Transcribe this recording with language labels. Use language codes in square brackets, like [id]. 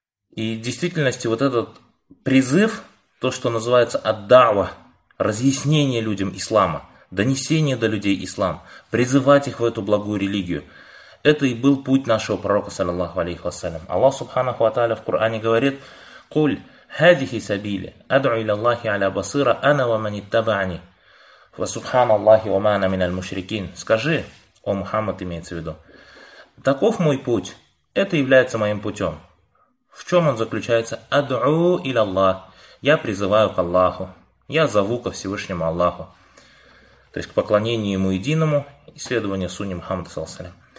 [ru] И в действительности вот этот призыв, то, что называется ад-дава, разъяснение людям ислама, донесение до людей ислам, призывать их в эту благую религию, это и был путь нашего пророка, саллаллаху алейхи вассалям. Аллах субханаху ва тааля в Коране говорит «Куль». [ar] هذه سبيل أدعو إلى الله على بصيرة أنا ومن اتبعني وسبحان الله وما أنا من المشركين. [ru] Скажи, о Мухаммад, имеется в виду, таков мой путь, это является моим путем. В чем он заключается? [ar] أدعو إلى الله. [ru] Я призываю к Аллаху, я зову ко Всевышнему Аллаху, то есть к поклонению Ему единому, исследованию Сунни Мухаммада саллаллаху алейхи ва саллям.